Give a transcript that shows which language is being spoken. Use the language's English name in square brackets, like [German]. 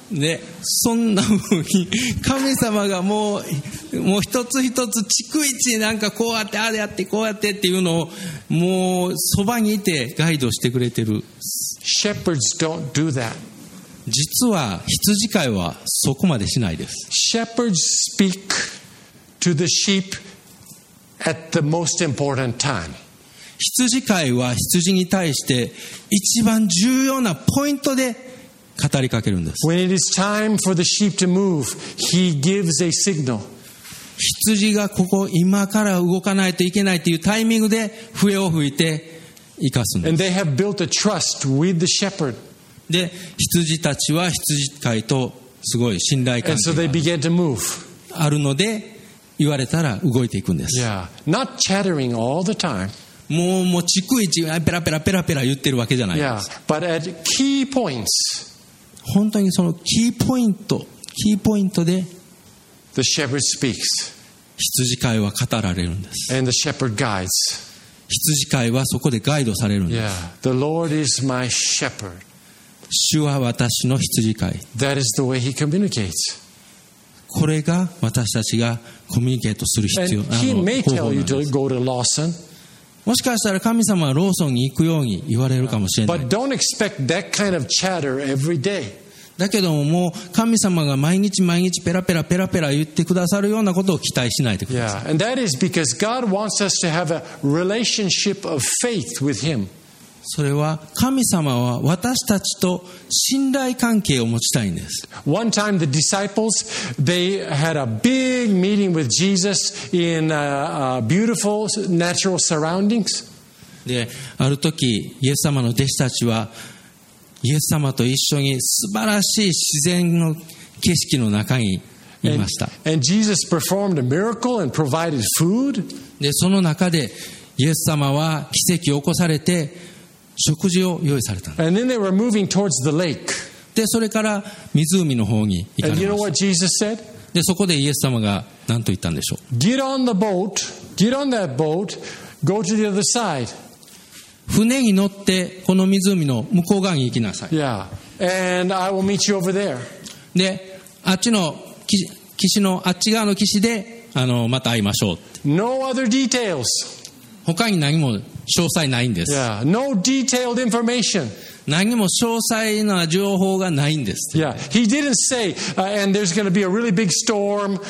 [Japanese] ね、そんなふうに、神様がもう一つ一つ、逐一なんかこうやって、ああやって、こうやってっていうのを、もう、そばにいて、ガイドしてくれてる。 [English] Shepherds don't do that. [Japanese] 実は羊飼いはそこまでしないです。 [English] Shepherds speak to the sheep at the most important time. [Japanese] 羊飼いは羊に対して一番重要なポイントで語りかけるんです。 [English] When it is time for the sheep to move, he gives a signal. [Japanese] 羊がここ今から動かないといけないというタイミングで笛を吹いて生かすんです。 [English] And they have built a trust with the shepherd. [Japanese] で、羊たちは羊飼いとすごい信頼関係があ るので言われたら動いていくんです。 [English] Yeah. Not chattering all the time. [Japanese] もう逐一ペラペラペラペラ言ってるわけじゃないです。 [English] Yeah. But at key points. [Japanese] 本当にそのキーポイントで [English] The shepherd speaks. [Japanese] 羊飼いは語られるんです。 [English] And the shepherd guides. [Japanese] 羊飼いはそこでガイドされるんです。 [English] Yeah. The Lord is my shepherd. [Japanese] 主は私の羊飼い。 [English] That is the way he communicates. [Japanese] これが私たちがコミュニケートする必要な方法なんです。 [English] And he may tell you to go to Lawson. [Japanese] もしかしたら神様はローソンに行くように言われるかもしれない。 [English] But don't expect that kind of chatter every day. [Japanese] だけどももう神様が毎日毎日ペラペラペラペラ言ってくださるようなことを期待しないでください。 [English] Yeah, and that is because God wants us to have a relationship of faith with Him. [Japanese] それは神様は私たちと信頼関係を持ちたいんです。 [English] One time the disciples, they had a big meeting with Jesus in a beautiful natural surroundings. [Japanese] で、ある時、イエス様の弟子たちはイエス様と一緒に素晴らしい自然の景色の中にいました。 [English] And Jesus performed a miracle and provided food. [Japanese] で、その中でイエス様は奇跡を起こされて食事を用意されたんです。 [English] And then they were moving towards the lake. [Japanese] で、それから湖の方に行かれました。 [English] And you know what Jesus said? [Japanese] で、そこでイエス様が何と言ったんでしょう。 [English] Get on the boat. Get on that boat. Go to the other side. [Japanese] 船に乗ってこの湖の向こう側に行きなさい。 [English] Yeah. And I will meet you over there. [Japanese] で、あっちの岸のあっち側の岸でまた会いましょう。 [English] No other details. [Japanese] 他に何も詳細ないんです。 [English] Yeah. No detailed information. [Japanese] 何も詳細な情報がないんです。 [English] Yeah. He didn't say, and there's going to be a really big storm.